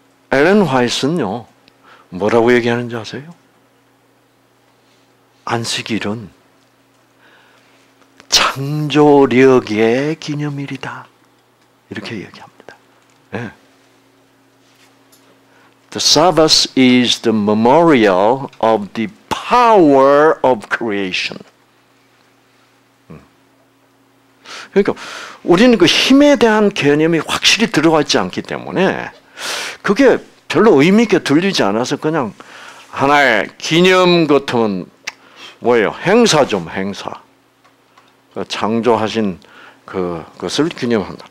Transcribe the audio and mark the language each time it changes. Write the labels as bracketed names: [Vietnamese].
[Korean] 엘렌 화이트는요, 뭐라고 얘기하는지 아세요? 안식일은 창조력의 기념일이다. 이렇게 얘기합니다. 네. [English] The Sabbath is the memorial of the power of creation. [Korean] 그러니까 우리는 그 힘에 대한 개념이 확실히 들어와 있지 않기 때문에 그게 별로 의미 있게 들리지 않아서 그냥 하나의 기념 같은 뭐예요? 행사 좀 행사. 창조하신 그것을 기념한다.